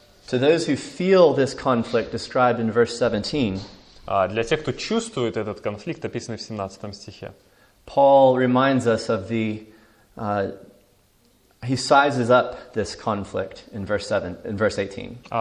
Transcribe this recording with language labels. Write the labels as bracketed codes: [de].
[en] To those who feel this conflict described in verse 17. [ru] Для тех, кто чувствует этот конфликт, описанный в 17 стихе. [en] Paul reminds us of the He sizes up this conflict in verse 18.